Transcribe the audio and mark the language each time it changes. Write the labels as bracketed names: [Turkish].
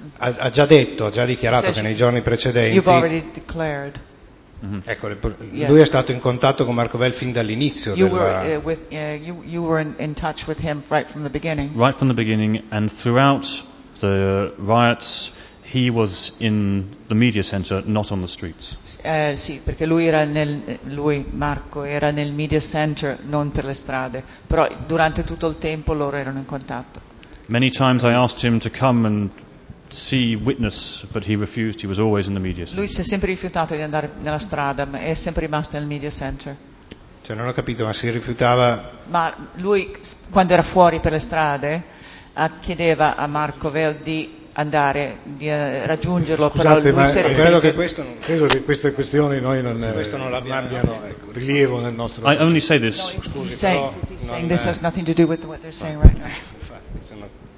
[Italian] Ha già detto, ha già dichiarato che nei giorni precedenti... [English] You've already declared. Mm-hmm. [Italian] Ecco, lui è stato in contatto con Marco Covell fin dall'inizio [English] You were in touch with him right from the beginning. Right from the beginning, and throughout the riots... He was in the media center, not on the streets. [Italian] Sì, perché Marco era nel media center, non per le strade. Però durante tutto il tempo loro erano in contatto. [English] Many times I asked him to come and see witness, but he refused. He was always in the media center. [Italian] Lui si è sempre rifiutato di andare nella strada, ma è sempre rimasto nel media center. Cioè non ho capito, ma si rifiutava. Ma lui quando era fuori per le strade chiedeva a Marco Covell di andare di raggiungerlo. Scusate, però lui ma credo che questo non, credo che queste questioni noi non, questo non abbiano rilievo nel nostro. [English] I only say this. This has nothing to do with what they're saying right now.